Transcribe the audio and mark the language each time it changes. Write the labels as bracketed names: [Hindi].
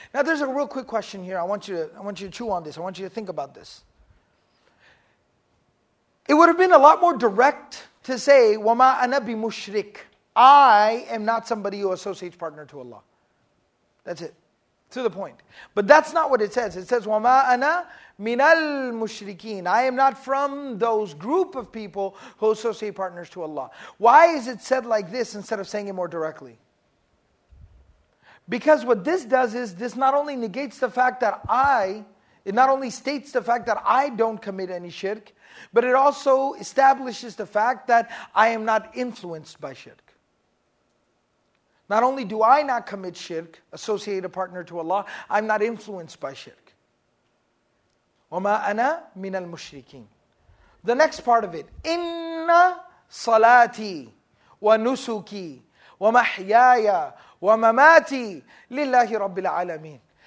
[English] Now there's a real quick question here. I want you to chew on this. I want you to think about this. It would have been a lot more direct to say, [Arabic] وَمَا أَنَا بِمُشْرِكْ. [English] I am not somebody who associates partner to Allah. That's it. To the point. But that's not what it says. It says, [Arabic] وَمَا أَنَا مِنَ الْمُشْرِكِينَ. [English] I am not from those group of people who associate partners to Allah. Why is it said like this instead of saying it more directly? Because what this does is, this not only negates the fact that it not only states the fact that I don't commit any shirk, but it also establishes the fact that I am not influenced by shirk. Not only do I not commit shirk, associate a partner to Allah, I'm not influenced by shirk. [Arabic] وَمَا أَنَا مِنَ الْمُشْرِكِينَ. [English] The next part of it, [Arabic] إِنَّ صَلَاتِي وَنُسُكِي وَمَحْيَايَ وَمَمَاتِي لِلَّهِ رَبِّ الْعَالَمِينَ.